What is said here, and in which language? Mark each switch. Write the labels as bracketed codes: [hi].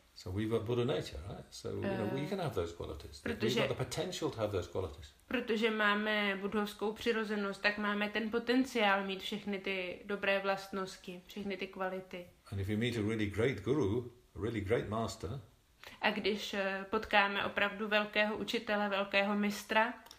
[en] So we've got Buddha nature, right? So you know, we can have those qualities. We've got the potential to have those qualities. [cs] Protože máme buddhovskou přirozenost, tak máme ten potenciál mít všechny ty dobré vlastnosti, všechny ty kvality. [en] And if you meet a really great guru, a really great master. [cs] A když potkáme opravdu velkého učitele, velkého mistra.